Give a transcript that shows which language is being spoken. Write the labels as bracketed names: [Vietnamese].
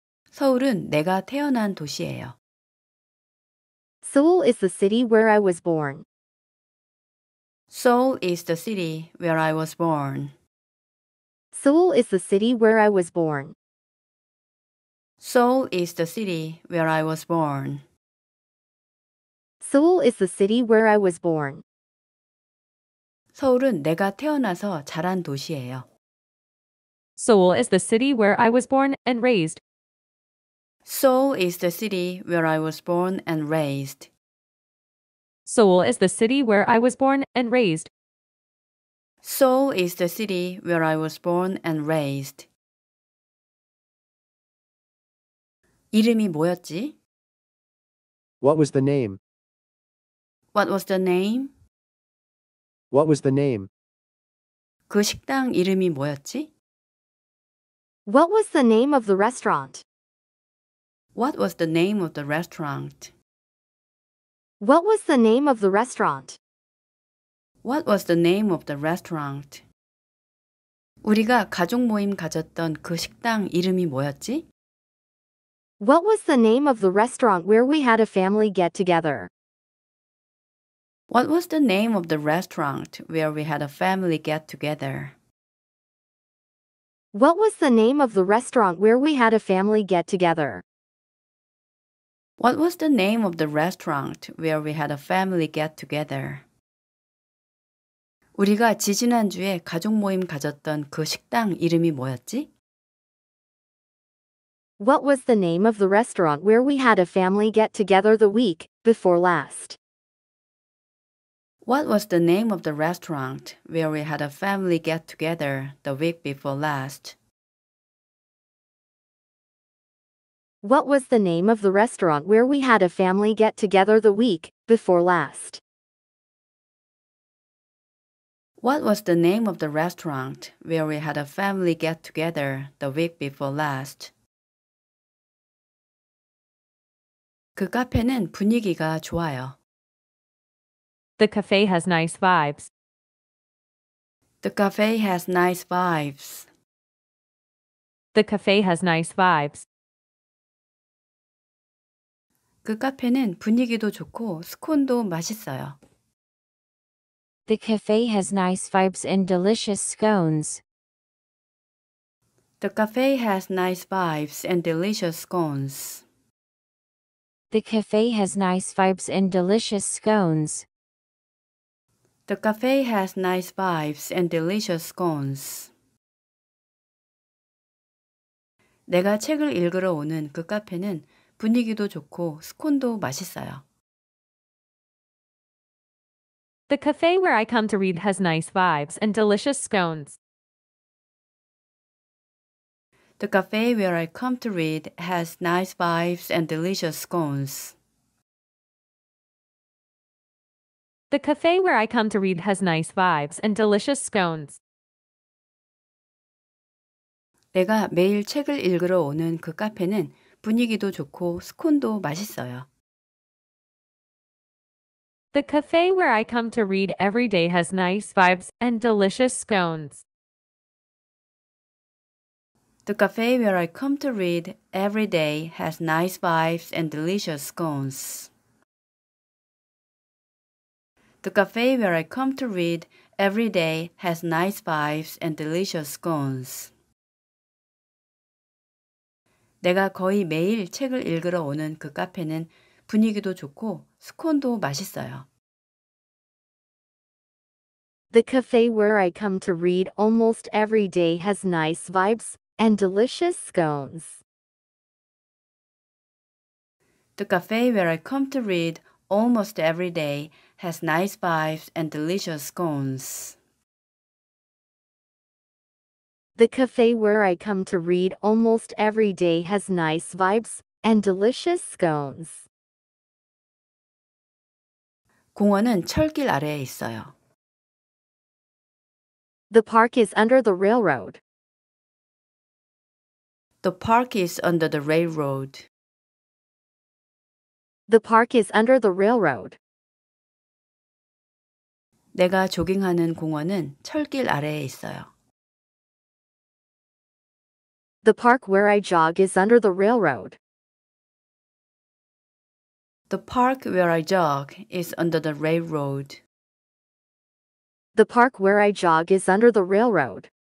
[Korean] 서울은 내가 태어난 도시예요. [English] Seoul is the city where I was born. Seoul is the city where I was born. Seoul is the city where I was born. Seoul is the city where I was born. Seoul is the city where I was born. [Korean] 서울은 내가 태어나서 자란 도시예요. [English] Seoul is the city where I was born and raised. Seoul is the city where I was born and raised. Seoul is the city where I was born and raised. Seoul is the city where I was born and raised. [Korean] 이름이 뭐였지? [English] What was the name? What was the name? What was the name? [Korean] 그 식당 이름이 뭐였지? [English] What was the name of the restaurant? What was the name of the restaurant? What was the name of the restaurant? What was the name of the restaurant? [Korean] 우리가 가족 모임 가졌던 그 식당 이름이 뭐였지? [English] What was the name of the restaurant where we had a family get together? What was the name of the restaurant where we had a family get together? What was the name of the restaurant where we had a family get together? What was the name of the restaurant where we had a family get together? [Korean] 우리가 지지난주에 가족 모임 가졌던 그 식당 이름이 뭐였지? [English] What was the name of the restaurant where we had a family get together the week before last? What was the name of the restaurant where we had a family get together the week before last? What was the name of the restaurant where we had a family get together the week before last? What was the name of the restaurant where we had a family get together the week before last? [Korean] 그 카페는 분위기가 좋아요. [English] The cafe has nice vibes. The cafe has nice vibes. The cafe has nice vibes. [Korean] 그 카페는 분위기도 좋고 스콘도 맛있어요. [English] The cafe has nice vibes and delicious scones. The cafe has nice vibes and delicious scones. The cafe has nice vibes and delicious scones. The cafe has nice vibes and delicious scones. [Korean] 내가 책을 읽으러 오는 그 카페는 분위기도 좋고 스콘도 맛있어요. [English] The cafe where I come to read has nice vibes and delicious scones. The cafe where I come to read has nice vibes and delicious scones. The cafe where I come to read has nice vibes and delicious scones. [Korean] 내가 매일 책을 읽으러 오는 그 카페는 분위기도 좋고 스콘도 맛있어요. [English] The cafe where I come to read every day has nice vibes and delicious scones. The cafe where I come to read every day has nice vibes and delicious scones. The cafe where I come to read every day has nice vibes and delicious scones. [Korean] 내가 거의 매일 책을 읽으러 오는 그 카페는 분위기도 좋고 스콘도 맛있어요. [English] The cafe where I come to read almost every day has nice vibes and delicious scones. The cafe where I come to read almost every day has nice vibes and delicious scones. The cafe where I come to read almost every day has nice vibes and delicious scones. [Korean] 공원은 철길 아래에 있어요. [English] The park is under the railroad. The park is under the railroad. The park is under the railroad. [Korean] 내가 조깅하는 공원은 철길 아래에 있어요. [English] The park where I jog is under the railroad. The park where I jog is under the railroad. The park where I jog is under the railroad.